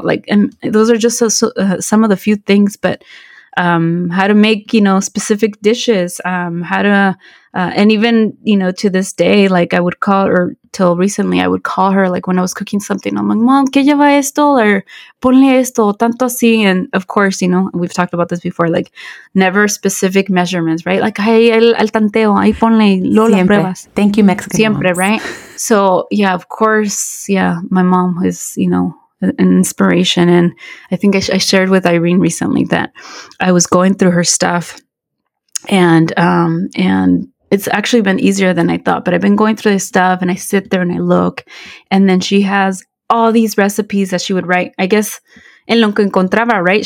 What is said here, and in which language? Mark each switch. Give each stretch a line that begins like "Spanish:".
English: Like, and those are just some of the few things. But how to make, you know, specific dishes, and even, you know, to this day, like, I would call her, till recently, I would call her, like, when I was cooking something, I'm like, "Mom,
Spanish: ¿qué lleva esto?
English: Or
Spanish: ponle esto, tanto así."
English: And of course, you know, we've talked about this before, like, never specific measurements, right?
Spanish: Like, "Ay, el tanteo, ahí ponle, lo las pruebas."
English: Thank you, Mexican.
Spanish: Siempre,
English: moms. Right? So, yeah, of course, yeah, my mom is, you know, an inspiration. And I think I shared with Irene recently that I was going through her stuff, and it's actually been easier than I thought, but I've been going through this stuff and I sit there and I look, and then she has all these recipes that she would write, I guess,
Spanish: en lo que encontraba,
English: right?